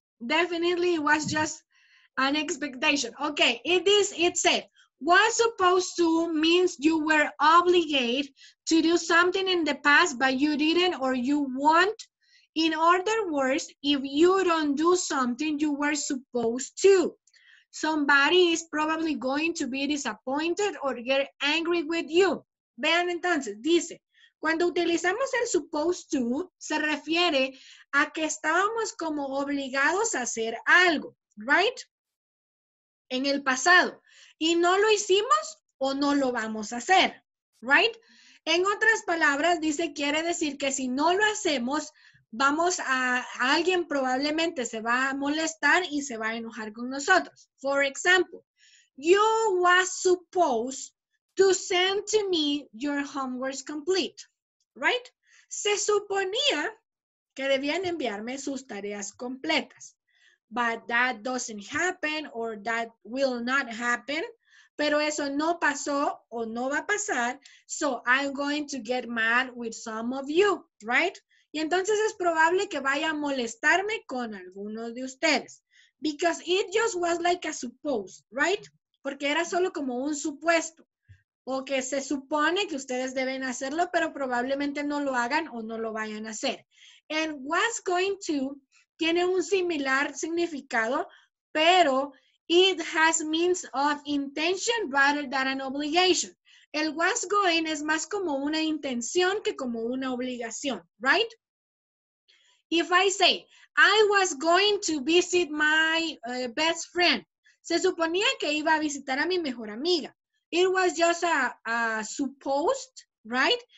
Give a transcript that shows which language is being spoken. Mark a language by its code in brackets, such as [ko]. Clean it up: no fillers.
[en] Definitely it was just an expectation. Okay, it said, was supposed to means you were obligated to do something in the past, but you didn't or you won't. In other words, if you don't do something, you were supposed to. Somebody is probably going to be disappointed or get angry with you. [es] Vean entonces, dice, cuando utilizamos el supposed to, se refiere a que estábamos como obligados a hacer algo, right? en el pasado. Y no lo hicimos o no lo vamos a hacer, right? En otras palabras, dice, quiere decir que si no lo hacemos, vamos a alguien probablemente se va a molestar y se va a enojar con nosotros. [en] For example, you was supposed to send to me your homework complete, right? [es] Se suponía que debían enviarme sus tareas completas. [en] But that doesn't happen or that will not happen. [es] Pero eso no pasó o no va a pasar. [en] So I'm going to get mad with some of you, right? [es] Y entonces es probable que vaya a molestarme con algunos de ustedes. [en] Because it just was like a suppose, right? [es] Porque era solo como un supuesto. O que se supone que ustedes deben hacerlo, pero probablemente no lo hagan o no lo vayan a hacer. [en] And was going to [es] tiene un similar significado, pero [en] it has means of intention rather than an obligation. [es] El was going es más como una intención que como una obligación, right? [en] If I say, I was going to visit my best friend. [es] Se suponía que iba a visitar a mi mejor amiga. [en] It was just a supposed, right?